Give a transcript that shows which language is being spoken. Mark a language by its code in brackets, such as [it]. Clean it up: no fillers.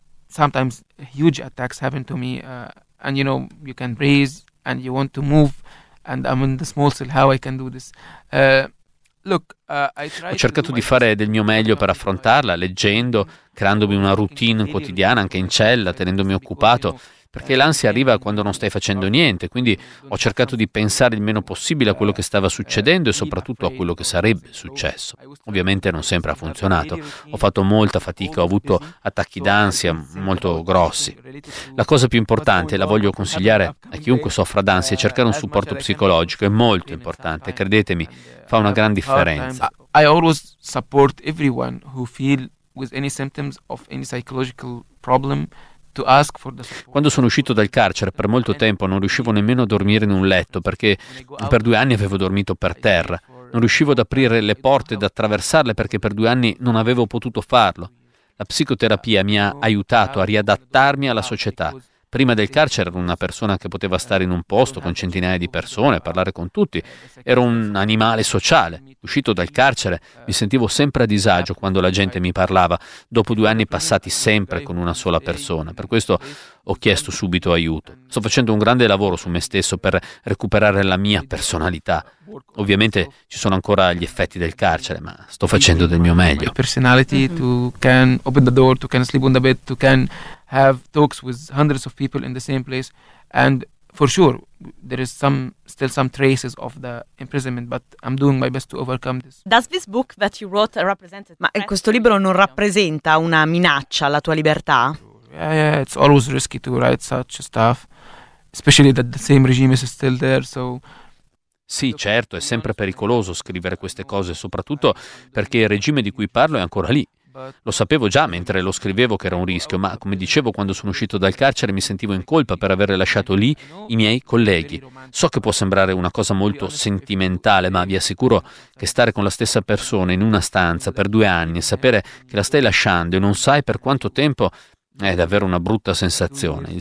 [en] Sometimes huge attacks happen to me and you know you can breathe and you want to move and I'm in the small cell, how I can do this? [it] Ho cercato di fare del mio meglio per affrontarla, leggendo, creandomi una routine quotidiana anche in cella, tenendomi occupato, perché l'ansia arriva quando non stai facendo niente, quindi ho cercato di pensare il meno possibile a quello che stava succedendo e soprattutto a quello che sarebbe successo. Ovviamente non sempre ha funzionato, ho fatto molta fatica, ho avuto attacchi d'ansia molto grossi. La cosa più importante, la voglio consigliare a chiunque soffra d'ansia, è cercare un supporto psicologico, è molto importante, credetemi, fa una gran differenza. [en] I always support everyone who feel with any symptoms of any psychological problem. [it] Quando sono uscito dal carcere, per molto tempo non riuscivo nemmeno a dormire in un letto, perché per 2 anni avevo dormito per terra. Non riuscivo ad aprire le porte ed attraversarle perché per 2 anni non avevo potuto farlo. La psicoterapia mi ha aiutato a riadattarmi alla società, Prima del carcere ero una persona che poteva stare in un posto con centinaia di persone, parlare con tutti. Ero un animale sociale. Uscito dal carcere mi sentivo sempre a disagio quando la gente mi parlava, dopo 2 anni passati sempre con una sola persona. Per questo ho chiesto subito aiuto. Sto facendo un grande lavoro su me stesso per recuperare la mia personalità. Ovviamente ci sono ancora gli effetti del carcere, ma sto facendo del mio meglio. [en] Personality, tu can open the door, tu can sleep on the bed, tu can have talks with hundreds of people in the same place, and for sure there is still some traces of the imprisonment, but I'm doing my best to overcome this. Does this book that you wrote represent? [it] Ma questo libro non rappresenta una minaccia alla tua libertà? [en] Yeah, it's always risky to write such stuff, especially that the same regime is still there, so. [it] Sì, certo, è sempre pericoloso scrivere queste cose, soprattutto perché il regime di cui parlo è ancora lì. Lo sapevo già mentre lo scrivevo che era un rischio, ma come dicevo, quando sono uscito dal carcere mi sentivo in colpa per aver lasciato lì i miei colleghi. So che può sembrare una cosa molto sentimentale, ma vi assicuro che stare con la stessa persona in una stanza per 2 anni e sapere che la stai lasciando e non sai per quanto tempo è davvero una brutta sensazione.